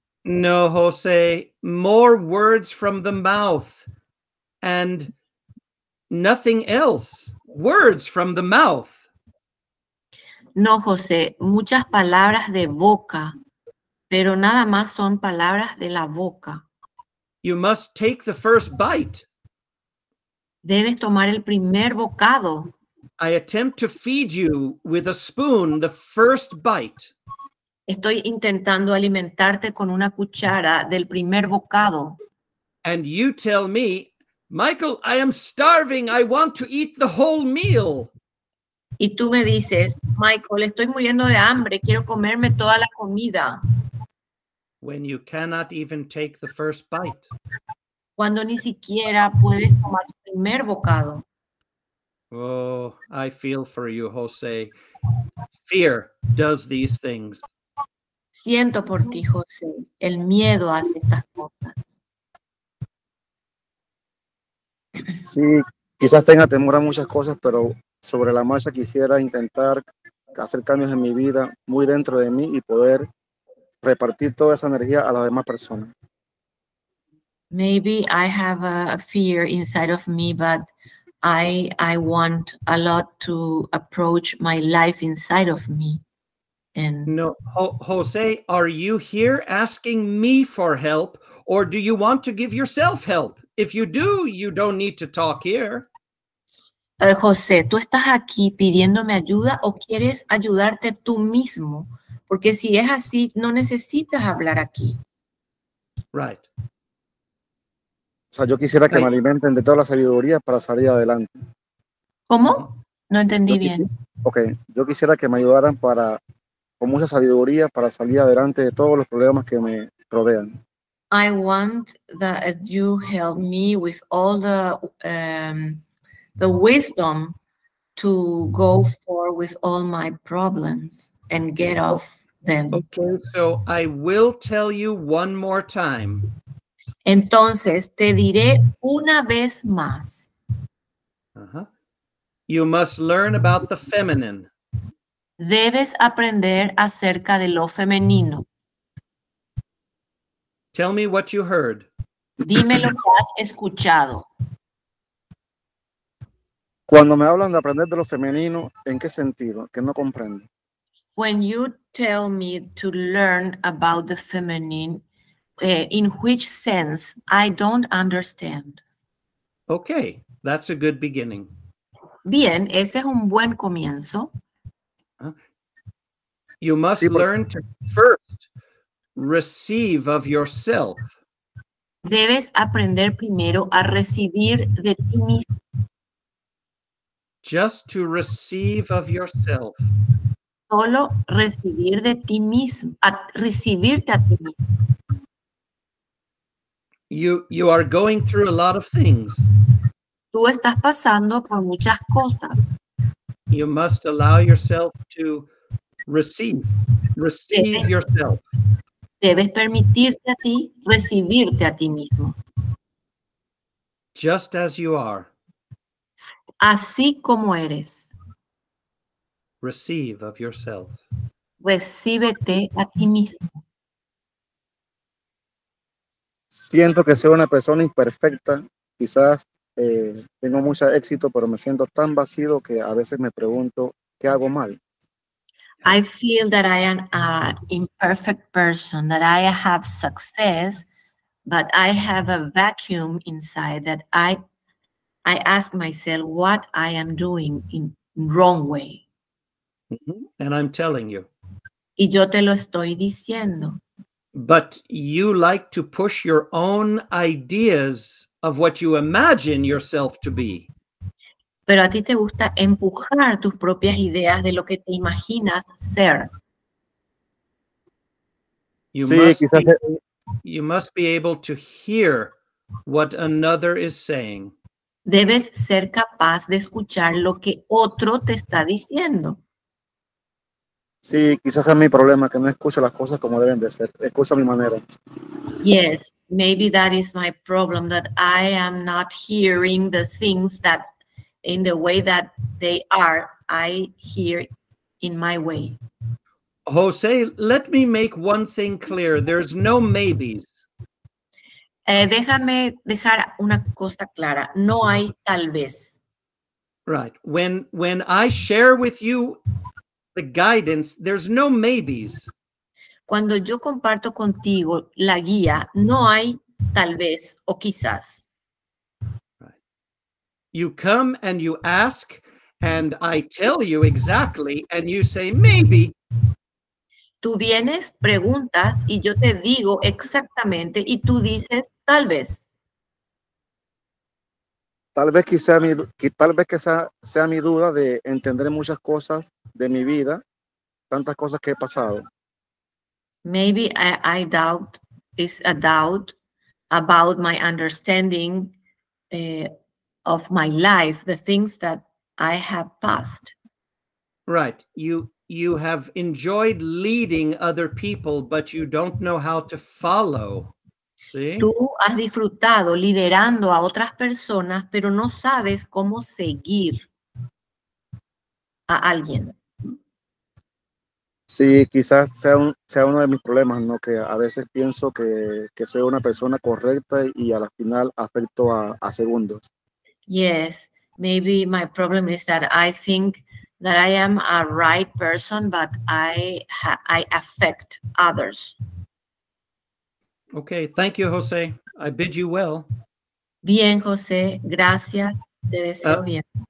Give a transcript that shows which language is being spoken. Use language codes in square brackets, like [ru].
[en] No, Jose, more words from the mouth and nothing else. Words from the mouth. [es] No, Jose, muchas palabras de boca, pero nada más son palabras de la boca. [en] You must take the first bite. [es] Debes tomar el primer bocado. [en] I attempt to feed you with a spoon the first bite. [es] Estoy intentando alimentarte con una cuchara del primer bocado. [en] And you tell me, Michael, I am starving. I want to eat the whole meal. [es] Y tú me dices, Michael, estoy muriendo de hambre. Quiero comerme toda la comida. [en] When you cannot even take the first bite. [es] Cuando ni siquiera puedes tomar el primer bocado. [en] Oh, I feel for you, Jose. Fear does these things. [es] Siento por ti, Jose. El miedo hace estas cosas. Sí, quizás tenga temor a muchas cosas, pero sobre la marcha quisiera intentar hacer cambios en mi vida muy dentro de mí y poder repartir toda esa energía a las demás personas. [en] Maybe I have a fear inside of me, but I want a lot to approach my life inside of me. And no, Jose, are you here asking me for help, or do you want to give yourself help? If you do, you don't need to talk here. [es] Jose, ¿tú estás aquí pidiéndome ayuda o quieres ayudarte tú mismo? Porque si es así, no necesitas hablar aquí. [en] Right. [es] O sea, yo quisiera que me alimenten de toda la sabiduría para salir adelante. ¿Cómo? No entendí bien. Ok, yo quisiera que me ayudaran para, con mucha sabiduría para salir adelante de todos los problemas que me rodean. [en] I want that you help me with all the wisdom to go forward with all my problems and get off them. Okay, so I will tell you one more time. [es] Entonces, te diré una vez más. [en] Uh-huh. You must learn about the feminine. [es] Debes aprender acerca de lo femenino. [en] Tell me what you heard. [es] Dime lo que has escuchado. Cuando me hablan de aprender de lo femenino, ¿en qué sentido? Que no comprendo. [en] When you tell me to learn about the feminine, in which sense, I don't understand. Okay, that's a good beginning. [es] Bien, ese es un buen comienzo. [en] You must learn to first receive of yourself. [es] Debes aprender primero a recibir de ti mismo. [en] Just to receive of yourself. [es] Solo recibir de ti mismo, a recibirte a ti mismo. [en] You are going through a lot of things. [es] Tú estás pasando por muchas cosas. [en] You must allow yourself to receive yourself. [es] Debes permitirte a ti recibirte a ti mismo. [en] Just as you are. [es] Así como eres. [en] Receive of yourself. [es] Recíbete a ti mismo. Siento que soy una persona imperfecta. Quizás tengo mucho éxito, pero me siento tan vacío que a veces me pregunto qué hago mal. [en] I feel that I am an imperfect person, that I have success, but I have a vacuum inside that I ask myself what I am doing in wrong way. Mm-hmm. And I'm telling you. [es] Y yo te lo estoy diciendo. [en] But you like to push your own ideas of what you imagine yourself to be. [es] Pero a ti te gusta empujar tus propias ideas de lo que te imaginas ser. [en] You must be able to hear what another is saying. [es] Debes ser capaz de escuchar lo que otro te está diciendo. Sí, quizás es mi problema, que no escucho las cosas como deben de ser. Escucho a mi manera. [en] Yes, maybe that is my problem, that I am not hearing the things that in the way that they are, I hear in my way. Jose, let me make one thing clear. There's no maybes. [es] Déjame dejar una cosa clara. No hay tal vez. [en] Right. When I share with you the guidance, there's no maybes. [es] Cuando yo comparto contigo la guía, no hay tal vez o quizás. [en] You come and you ask, and I tell you exactly, and you say, maybe. [es] Tú vienes, preguntas, y yo te digo exactamente, y tú dices, tal vez. Tal vez que sea mi duda de entender muchas cosas de mi vida, tantas cosas que he pasado. [en] Maybe I doubt, is a doubt about my understanding of my life, the things that I have passed. Right. You have enjoyed leading other people, but you don't know how to follow. See? [es] Tú has disfrutado liderando a otras personas, pero no sabes cómo seguir a alguien. Sí, quizás sea uno de mis problemas, ¿no? Que a veces pienso que soy una persona correcta y a la final afecto a segundos. [en] Yes, maybe my problem is that I think that I am a right person, but I affect others. Okay, thank you, Jose. I bid you well. [es] Bien, Jose. Gracias. Te deseo bien.